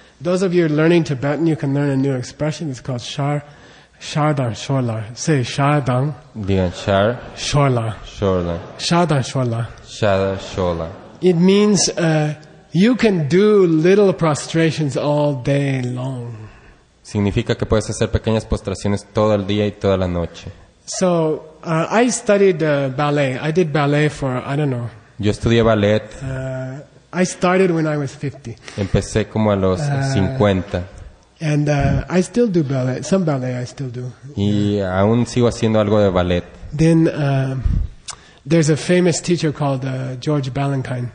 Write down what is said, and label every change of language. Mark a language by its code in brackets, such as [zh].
[en] Those of you who are learning Tibetan, you can learn a new expression. It's called Shardar Shola. Say Shardar. [es] Digan Shar. [bo] Shola. Shola. Shardar Shola. Shardar Shola. [en] It means you can do little prostrations all day long. [es] Significa que puedes hacer pequeñas postraciones todo el día y toda la noche. [en] So, I studied ballet. I did ballet for, I don't know. [es] Yo estudié ballet. [en] I started when I was 50. [es] Empecé como a los 50. [en] And I still do ballet. Some ballet I still do. [es] Y aún sigo haciendo algo de ballet. [en] Then there's a famous teacher called George Balanchine.